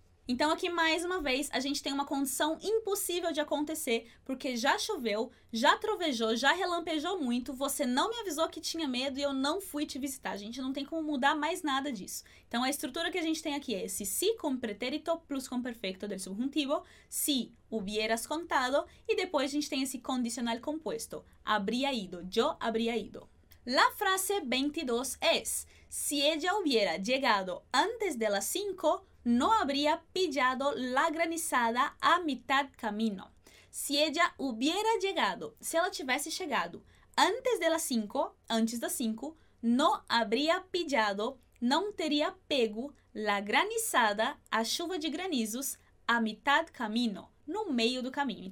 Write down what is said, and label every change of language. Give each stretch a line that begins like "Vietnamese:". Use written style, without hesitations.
Portuguese: Então, aqui, mais uma vez, a gente tem uma condição impossível de acontecer, porque já choveu, já trovejou, já relampejou muito, você não me avisou que tinha medo e eu não fui te visitar. A gente não tem como mudar mais nada disso. Então, a estrutura que a gente tem aqui é esse si com pretérito plus com perfecto del subjuntivo,
Spanish: si hubieras contado,
Portuguese: e depois a gente tem esse condicional composto,
Spanish: habría ido, yo habría ido. La frase 22 es: si ella hubiera llegado antes de las 5, no habría pillado la granizada a mitad camino. Si ella hubiera llegado,
Portuguese: se ela tivesse chegado
Spanish: antes de las 5,
Portuguese: antes das 5,
Spanish: no habría pillado,
Portuguese: não teria pego
Spanish: la granizada,
Portuguese: a chuva de granizos,
Spanish: a mitad camino,
Portuguese: no meio do caminho.